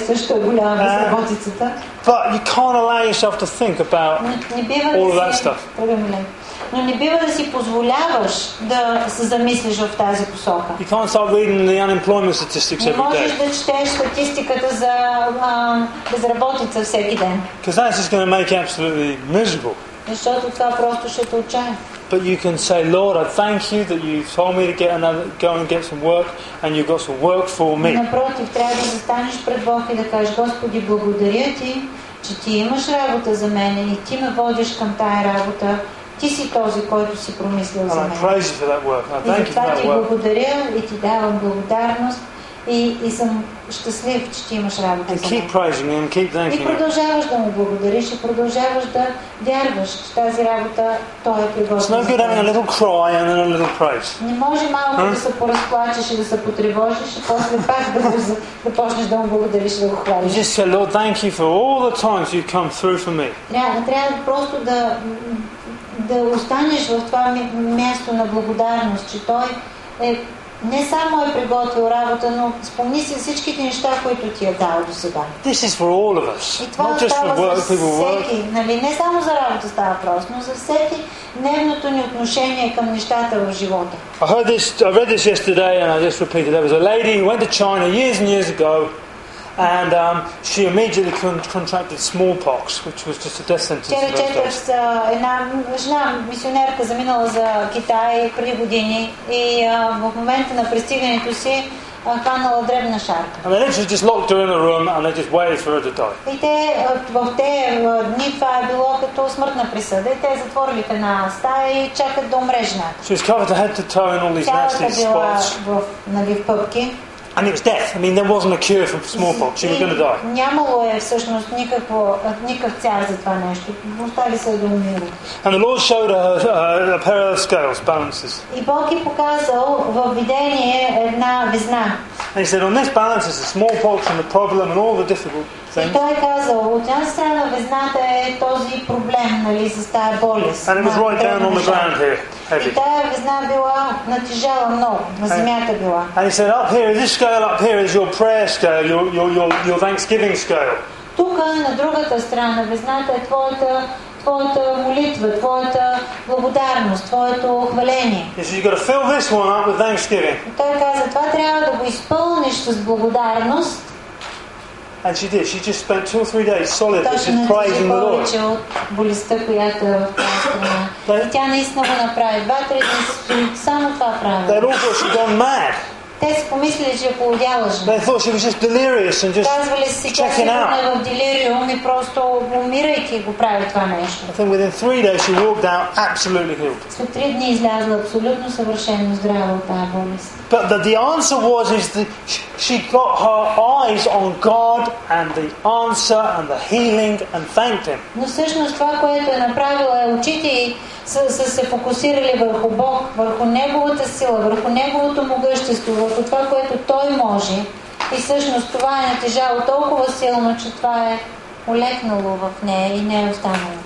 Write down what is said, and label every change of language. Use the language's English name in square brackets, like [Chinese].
[English] But you can't allow yourself to think about all of that stuff. [Bulgarian] Но не бива да си позволяваш да се замислиш в тази посока. [English] You can't start reading the unemployment statistics every day. [Bulgarian] Не можеш да четеш статистиката за безработица всеки ден. [English] Because that's just going to make you absolutely miserable. [Bulgarian] Защото това просто ще те отчая. [English] But you can say, Lord, I thank you that you told me to get another, go and get some work, and you've got some work for me. [Bulgarian] Напротив, трябва да застанеш пред Бог и да кажеш, Господи, благодаря ти, че ти имаш работа за мен и ти ме водиш към тая работа. Ти си този, който си промислил за мен. [English] And I praise you for that work. I thank you for that work. [Bulgarian] И затова ти благодаря и ти давам благодарност и съм щастлив, че ти имаш работа за мен. [English] And keep praising him, keep thanking him. [Bulgarian] И продължаваш да му благодариш и продължаваш да вярваш, че тази работа той е приготвил. [English] It's no good having a little cry and then a little praise. [Bulgarian] Не може малко да се поразплачеш и да се потревожиш и после пак да почнеш да му благодариш и да го хвалиш. [English] Just say, Lord, thank you for all the times you've come through for me. [Bulgarian] Трябва просто да останеш в това място на благодарност, че той е не само е приготвил работа, но спомни си всичките неща, които ти е дал до сега. [English] This is for all of us. [Bulgarian] И това [English] not just [Bulgarian] става [English] for work, [Bulgarian] за всеки. [English] Work. [Bulgarian] Нали? Не само за работа става въпрос, но за всеки дневното ни отношение към нещата в живота. [English] I heard this, I read this yesterday and I just repeated. There was a lady who went to China years and years ago and she immediately contracted smallpox, which was just a death sentence. [Bulgarian] Тя четах една жена мисионерка заминала за Китай преди години и в момента на пристигането си паднала дребна шарка. [English] And they literally just locked her in a room and they just waited for her to die. [Bulgarian] И те в тези дни това е било като смъртна присъда. Те затворили в една стая и чакат да умрежна. [English] She was covered head to toe in all these nasty spots. [Bulgarian] Нали, в пъпки. [English] And it was death. I mean, there wasn't a cure for smallpox. She was going to die. [Bulgarian] Нямало е всъщност никакъв цяр за това нещо. Остали се да умира. [English] And the Lord showed her a pair of scales, balances. [Bulgarian] И Бог ѝ показал в видение една везна. [English] And he said, on this balance is the smallpox and the problem and all the difficult things. [Bulgarian] И той казал, от тази страна везната е този проблем, нали, с тази болест. [English] And it was right down on the ground here. [Bulgarian] И тая везна била натежала много, на земята била. [English] And he said, up here, this scale up here is your prayer scale, your thanksgiving scale. [Bulgarian] Тук на другата страна везната е твоята молитва, твоята благодарност, твоето хваление. [English] He said, you got to fill this one up with thanksgiving. [Bulgarian] Той каза, това трябва да го изпълниш с благодарност. [English] And she did. She just spent 2 or 3 days solid just praising the Lord. [Bulgarian] Тя от болестта, която е в тази тя наистина го направи. 2-3 дни само това прави. [English] They all thought she'd gone mad. [Bulgarian] Те си помислили, че е полудяла жена. [English] They thought she was just delirious and just checking out. [Bulgarian] Казвали си, че е в делириум и просто умирайки го прави това нещо. [English] I think within 3 days she walked out absolutely healed. [Bulgarian] След 3 дни излязла абсолютно съвършено здрава от тази болест. [English] But the answer was is that she got her eyes on God and the answer and the healing and thanked Him. [Bulgarian] Но всъщност това, което е направила, е очите ѝ са се фокусирали върху Бог, върху Неговата сила, върху Неговото могъщество, върху това, което Той може. И всъщност това е натежало толкова силно, че това е улекнало в нея и не е останало.